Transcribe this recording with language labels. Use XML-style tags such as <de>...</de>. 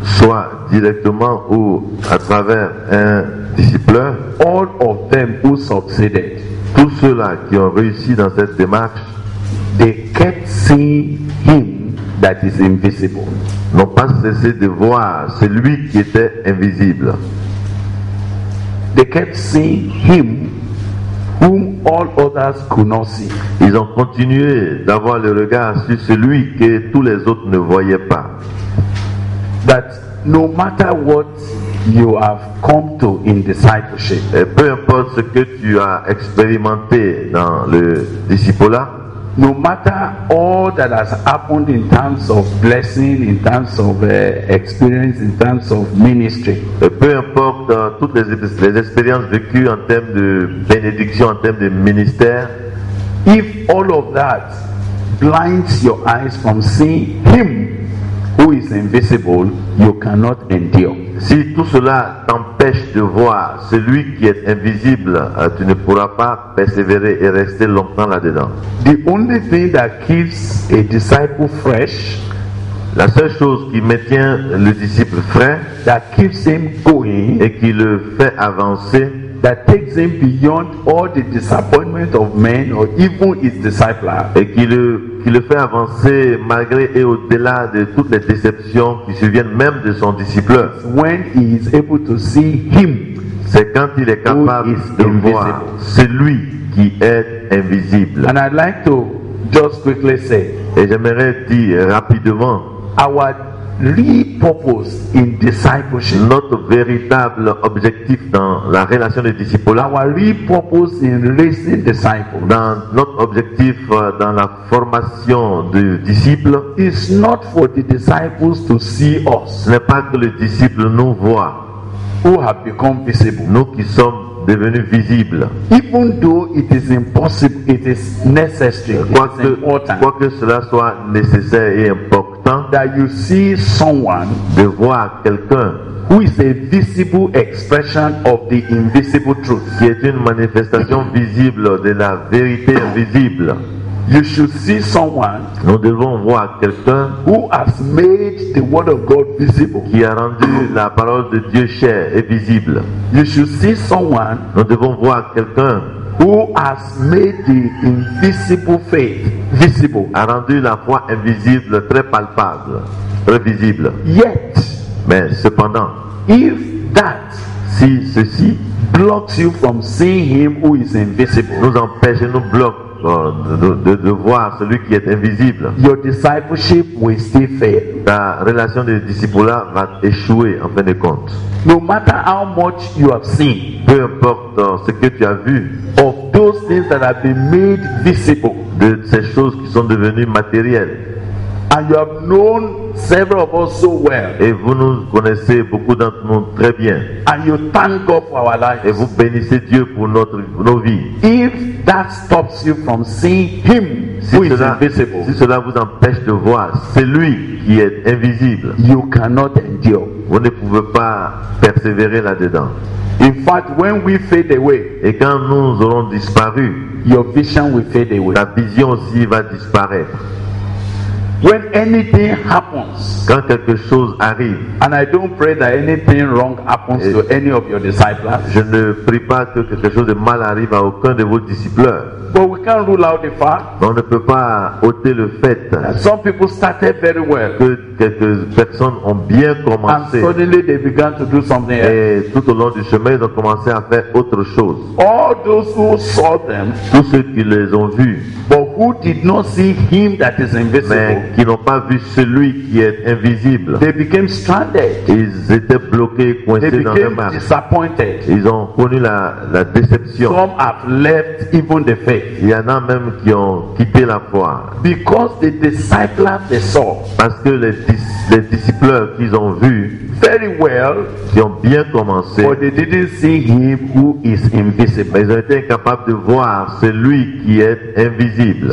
<fr>soit directement ou à travers un discipleur,</fr> <en>all of them who succeeded,</en> <fr>tous ceux-là qui ont réussi dans cette démarche,</fr> <en>they kept seeing him that is invisible.</en> <fr>N'ont pas cessé de voir celui qui était invisible.</fr> <en>They kept seeing him whom all others could not see.</en> <fr>Ils ont continué d'avoir le regard sur celui que tous les autres ne voyaient pas.</fr> <en>That no matter what you have come to in discipleship.</en> <fr>Et peu importe ce que tu as expérimenté dans le discipulat.</fr> <en>No matter all that has happened in terms of blessing, in terms of experience, in terms of ministry.</en> <fr>Peu importe toutes les expériences vécues en termes de bénédiction, en termes de ministère.</fr> <en>If all of that blinds your eyes from seeing him who is invisible, you cannot endure.</en> <fr>Si tout cela t'empêche de voir celui qui est invisible, tu ne pourras pas persévérer et rester longtemps là-dedans.</fr> <en>The only thing that keeps a disciple fresh,</en> <fr>La seule chose qui maintient le disciple frais,</fr> <en>that keeps him going,</en> <fr>et qui le fait avancer,</fr> <en>that takes him beyond all the disappointment of men or even his disciples,</en> <fr>et qui le fait avancer malgré et au-delà de toutes les déceptions qui surviennent même de son disciple,</fr> <en>when he is able to see him,</en> <fr>c'est quand il est capable de voir celui qui est invisible.</fr> <en>And I'd like to just quickly say,</en> <fr>et j'aimerais dire rapidement,</fr> <en>our real purpose in discipleship,</en> <fr>notre véritable objectif dans la relation des disciples,</fr> <en>our real purpose in raising disciples,</en> <fr>dans notre objectif dans la formation de disciples,</fr> <en>is not for the disciples to see us,</en> <fr>ce n'est pas que les disciples nous voient,</fr> <en>who have become visible,</en> <fr>nous qui sommes devenu visible.</fr> <en>Even though it is impossible, it is necessary.</en> <fr>Quoique cela soit nécessaire et important,</fr> <en>that you see someone,</en> <fr>de voir quelqu'un,</fr> <en>who is a visible expression of the invisible truth,</en> <fr>qui est une manifestation visible de la vérité invisible.</fr> <en>You should see someone,</en> <fr>nous devons voir quelqu'un,</fr> <en>who has made the word of God visible,</en> <fr>qui a rendu la parole de Dieu chère et visible.</fr> <en>You should see someone,</en> <fr>nous devons voir quelqu'un,</fr> <en>who has made the invisible faith visible,</en> <fr>a rendu la foi invisible très palpable, très visible.</fr> <en>Yet,</en> <fr>mais cependant,</fr> <en>if that,</en> <fr>si ceci</fr> <en>blocks you from seeing him who is invisible,</en> <fr>nous empêche et nous bloque De voir celui qui est invisible,</fr> <en>your discipleship will still fail.</en> <fr>Ta relation de disciples-là va échouer en fin de compte.</fr> <en>No matter how much you have seen,</en> <fr>peu importe ce que tu as vu,</fr> <en>of those things that have been made visible,</en> <fr>de ces choses qui sont devenues matérielles,</fr> <en>and you have known several of us so well,</en> <fr>et vous nous connaissez beaucoup d'entre nous très bien,</fr> <en>and you thank God for our lives,</en> <fr>et vous bénissez Dieu pour nos vies.</fr> <en>If that stops you from seeing him,</en> <fr>si</fr> <en>who</en> <fr>cela,</fr> <en>is invisible,</en> <fr>si cela vous empêche de voir celui qui est invisible,</fr> <en>you cannot endure.</en> <fr>Vous ne pouvez pas persévérer là-dedans.</fr> <en>In fact, when we fade away,</en> <fr>et quand nous aurons disparu,</fr> <en>your vision will fade away.</en> <fr>Ta vision aussi va disparaître.</fr> <en>When anything happens,</en> <fr>quand quelque chose arrive,</fr> <en>and I don't pray that anything wrong happens to any of your disciples,</en> <fr>je ne prie pas que quelque chose de mal arrive à aucun de vos disciples.</fr> <en>But we can't rule out the fact,</en> <fr>on ne peut pas ôter le fait,</fr> <en>some people started very well,</en> <fr>que quelques personnes ont bien commencé,</fr> <en>and suddenly they began to do something else,</en> <fr>et tout au long du chemin ils ont commencé à faire autre chose.</fr> <en>All those who saw them,</en> <fr>tous ceux qui les ont vus,</fr> <en>but who did not see him that is invisible,</en> <fr>mais qui n'ont pas vu celui qui est invisible,</fr> <en>they became stranded,</en> <fr>ils étaient bloqués, coincés,</fr> <en>they became</en> <fr>dans leur marche,</fr> <en>disappointed,</en> <fr>ils ont connu la déception.</fr> <en>Some have left even the faith.</en> <fr>Il y en a même qui ont quitté la foi.</fr> <en>Because the disciples they saw,</en> <fr>parce que les disciples qu'ils ont vus,</fr> <en>very well,</en> <fr>qui ont bien commencé,</fr> <en>but they didn't see him who is invisible.</en> <fr>Ils ont été incapables de voir celui qui est invisible.</fr>